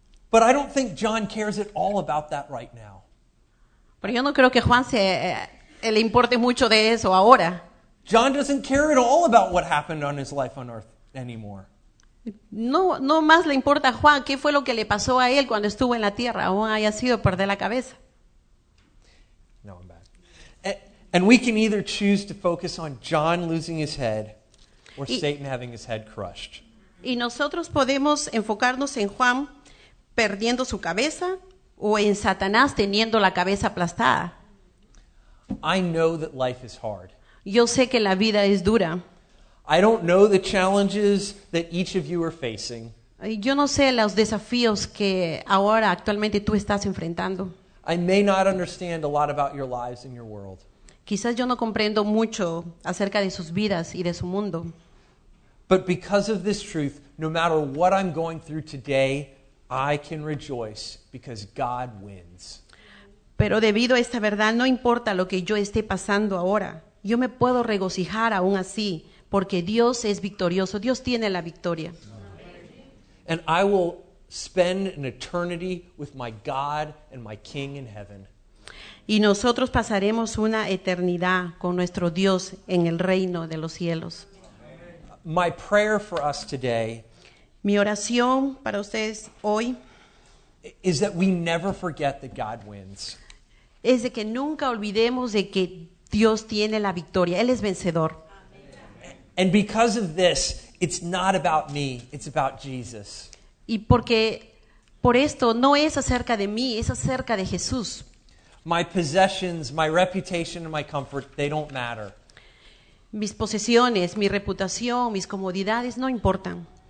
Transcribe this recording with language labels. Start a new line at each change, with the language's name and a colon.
English: But I don't think John cares at all about that right now.
Spanish: Pero yo no creo que Juan le importe mucho de eso ahora.
English: John doesn't care at all about what happened on his life on earth anymore.
Spanish: No más le importa a Juan qué fue lo que le pasó a él cuando estuvo en la tierra, aún haya sido perder la cabeza.
English: No, I'm back. And we can either choose to focus on John losing his head or Satan having his head crushed.
Spanish: Y nosotros podemos enfocarnos en Juan perdiendo su cabeza o en Satanás teniendo la cabeza aplastada.
English: I know that life is hard.
Spanish: Yo sé que la vida es dura.
English: I don't know the challenges that each of you are facing.
Spanish: Yo no sé los desafíos que ahora actualmente tú estás enfrentando.
English: I may not understand a lot about your lives and your world.
Spanish: Quizás yo no comprendo mucho acerca de sus vidas y de su mundo.
English: But because of this truth, no matter what I'm going through today, I can rejoice because God wins.
Spanish: Pero debido a esta verdad, no importa lo que yo esté pasando ahora, yo me puedo regocijar aún así, porque Dios es victorioso. Dios tiene la victoria.
English: And I will spend an eternity with my God and my King in heaven.
Spanish: Y nosotros pasaremos una eternidad con nuestro Dios en el reino de los cielos.
English: My prayer for us today.
Spanish: Mi oración para ustedes hoy
English: is that we never forget that God wins.
Spanish: Es de que nunca olvidemos de que Dios tiene la victoria. Él es vencedor.
English: And because of this, it's not about me, it's about Jesus.
Spanish: Y porque por esto no es acerca de mí, es acerca de Jesús.
English: My possessions, my reputation, and my comfort, they don't matter.
Spanish: Mis posesiones, mi reputación, mis comodidades no importan.